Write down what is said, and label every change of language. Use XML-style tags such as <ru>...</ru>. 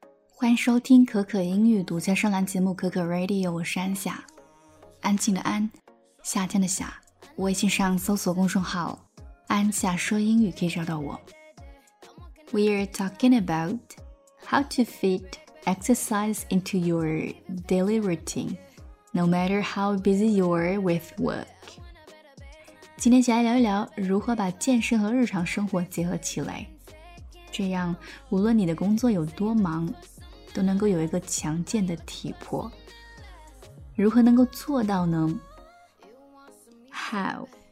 <zh>欢迎收听可可英语独家上栏节目可可 Radio， 我是安夏，安静的安，夏天的夏。微信上搜索公众号安夏说英语可以找到我。</zh> <en>We are talking about how to fit exercise into your daily routine no matter how busy you are with work。</en> <zh>今天起来聊一聊如何把健身和日常生活结合起来，这样无论你的工作有多忙都能够有一个强健的体魄。如何能够做到呢？</zh> <en>How?</en>